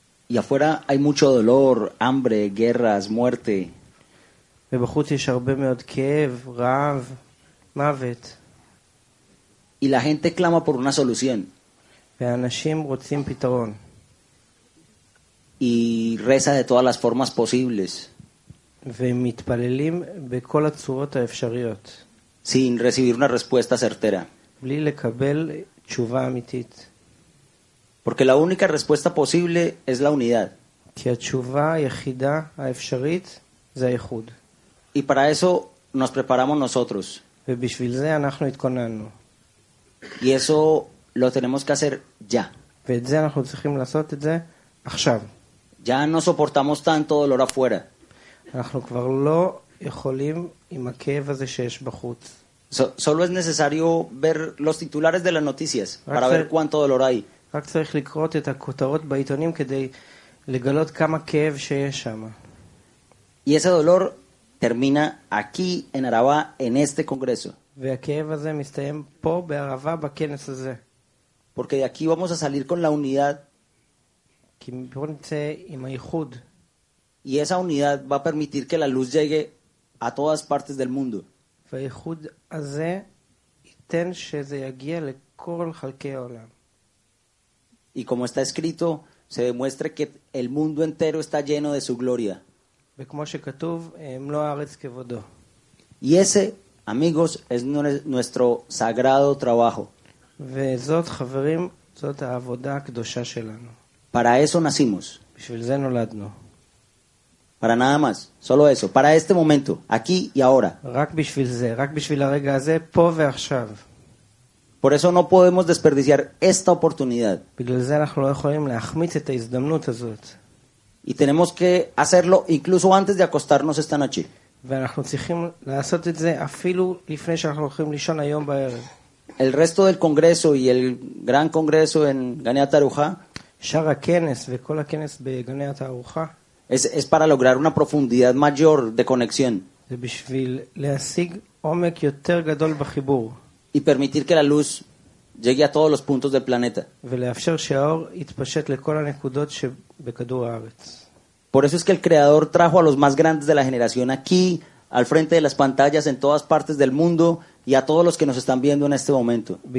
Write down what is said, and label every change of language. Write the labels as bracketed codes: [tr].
[es] Y afuera hay mucho dolor, hambre, guerras, muerte. [he] ובחוץ יש הרבה מאוד כאב, רעב, מוות. [es] Y la gente clama por una solución. [he] ואנשים רוצים פתרון. [es] Y reza de todas las formas posibles. [he] ומתפללים בכל הצורות האפשריות. [es] Sin recibir una respuesta certera. [he] בלי לקבל תשובה אמיתית. [es] Porque la única respuesta posible es la unidad. [he] כי התשובה היחידה האפשרית זה האיחוד. [es] Y para eso nos preparamos nosotros. [he] ובשביל זה אנחנו התכוננו. [es] Y eso lo tenemos que hacer ya. [he] ואת זה אנחנו צריכים לעשות את זה עכשיו. [es] Ya no soportamos tanto dolor afuera. [he] אנחנו כבר לא יכולים עם הכאב הזה שיש בחוץ. [es] Solo es necesario ver los titulares de las noticias para ver cuánto dolor hay. [he] רק צריך לקרוא את הכותרות בעיתונים כדי לגלות כמה כאב שיש שם. [es] Y ese dolor termina aquí en Araba en este congreso. [he] והכאב הזה מסתיים פה בערבה בכנס הזה. [es] Porque de aquí vamos a salir con la unidad. [he] כי פה נצא עם האיחוד. [es] Y esa unidad va a permitir que la luz llegue a todas partes del mundo. [he] והאיחוד הזה ייתן שזה יגיע לכל חלקי העולם. [es] Y como está escrito, se demuestra que el mundo entero está lleno de su gloria. [he] וכמו שכתוב, מלוא הארץ כבודו. [es] Y ese, amigos, es nuestro sagrado trabajo. [he] וזאת, חברים, זאת העבודה הקדושה שלנו. [es] Para eso nacimos. [he] בשביל זה נולדנו. [es] Para nada más, solo eso, para este momento, aquí y ahora. [he] רק בשביל זה, רק בשביל הרגע הזה, פה ועכשיו. [es] Por eso no podemos desperdiciar esta oportunidad. [he] בגלל זה אנחנו לא יכולים להחמיץ את ההזדמנות הזאת. [es] Y tenemos que hacerlo incluso antes de acostarnos esta noche. [he] ואנחנו צריכים לעשות את זה אפילו לפני שאנחנו הולכים לישון היום בערב. [es] El resto del congreso y el gran congreso en Gane Taruja, [he] שער הכנס וכל הכנס בגני התערוכה, [es] es para lograr una profundidad mayor de conexión. Y permitir que la luz llegue a todos los puntos del planeta. Por eso es que el Creador trajo a los más grandes de la generación aquí, al frente de las pantallas, en todas partes del mundo, y a todos los que nos están viendo en este momento.